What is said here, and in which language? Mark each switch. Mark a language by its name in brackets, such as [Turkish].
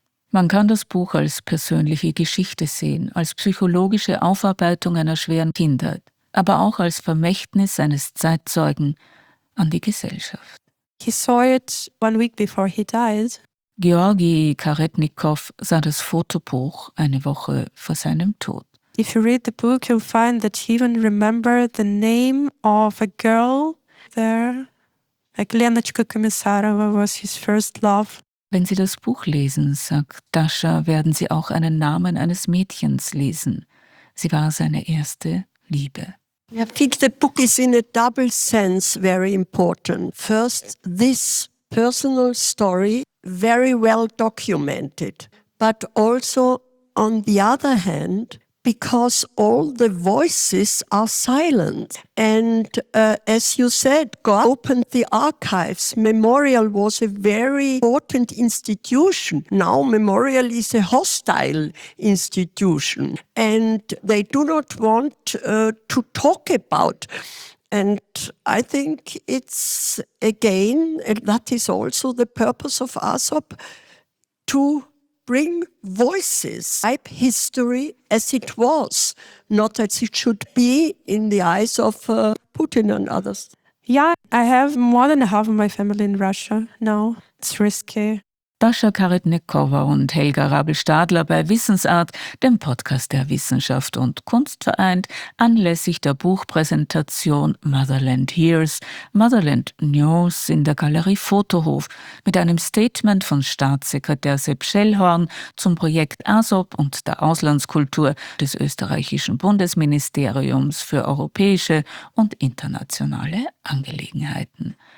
[German] Man kann das Buch als persönliche Geschichte sehen, als psychologische Aufarbeitung einer schweren Kindheit, aber auch als Vermächtnis eines Zeitzeugen an die Gesellschaft. [English] He saw it one week before he died. [German] Georgi Karetnikov sah das Fotobuch eine Woche vor seinem Tod. [English] If you read the book, you'll find that he even remembered the name of a girl there. Lenochka Komissarova was his first love. [German] Wenn Sie das Buch lesen, sagt Dascha, werden Sie auch einen Namen eines Mädchens lesen. Sie war seine erste Liebe. [English] I think the book is in a double sense very important. First, this personal story, very well documented, but also on the other hand, because all the voices are silent. And as you said, God opened the archives. Memorial was a very important institution. Now Memorial is a hostile institution. And they do not want to talk about. And I think it's, again, that is also the purpose of ASOP, to bring voices, type history as it was, not as it should be in the eyes of Putin and others. Yeah, I have more than half of my family in Russia now. It's risky. [German] Dasha Karetnikova und Helga Rabel-Stadler bei Wissensart, dem Podcast der Wissenschaft und Kunst vereint, anlässlich der Buchpräsentation Motherland Hears, Motherland News in der Galerie Fotohof mit einem Statement von Staatssekretär Sepp Schellhorn zum Projekt ASOP und der Auslandskultur des österreichischen Bundesministeriums für europäische und internationale Angelegenheiten.